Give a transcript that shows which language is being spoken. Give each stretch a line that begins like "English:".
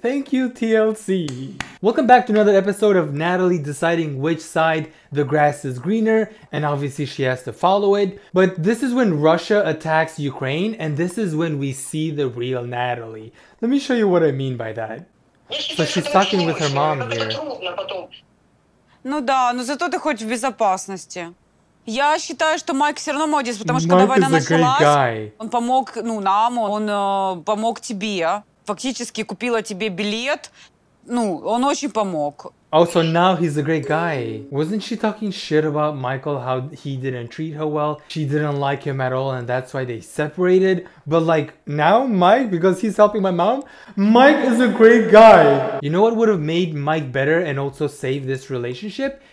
English: Thank you, TLC. Welcome back to another episode of Natalie deciding which side the grass is greener, and obviously she has to follow it. But this is when Russia attacks Ukraine, and this is when we see the real Natalie. Let me show you what I mean by that. So she's talking with her mom here.
Russian: Ну да, ну зато
Ukrainian: ти хоч
Russian: в безопасности. Я считаю, что Майк все равно молодец, потому что когда война началась, он помог нам, он помог тебе, фактически купила тебе билет, он очень помог.
English: Oh, so now he's a great guy. Wasn't she talking shit about Michael, how he didn't treat her well? She didn't like him at all, and that's why they separated. But like, now Mike, because he's helping my mom, Mike is a great guy. You know what would have made Mike better and also save this relationship?